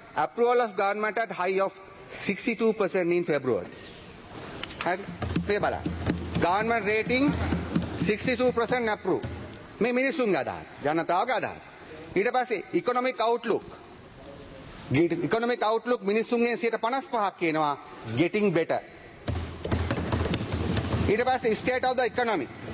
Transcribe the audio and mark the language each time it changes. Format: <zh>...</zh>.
<en>Approval of government at high of 62% in February.</en> <si>හරි. මේ බලන්න.</si> <en>Government rating 62% approve.</en> <si>මේ මිනිසුන්ගේ අදහස. ජනතාවගේ අදහස. ඊට පස්සේ economic outlook. Economic outlook මිනිසුන්ගේ 55% කියනවා</si> <en>getting better.</en> <si>ඊට පස්සේ state of the economy.</si>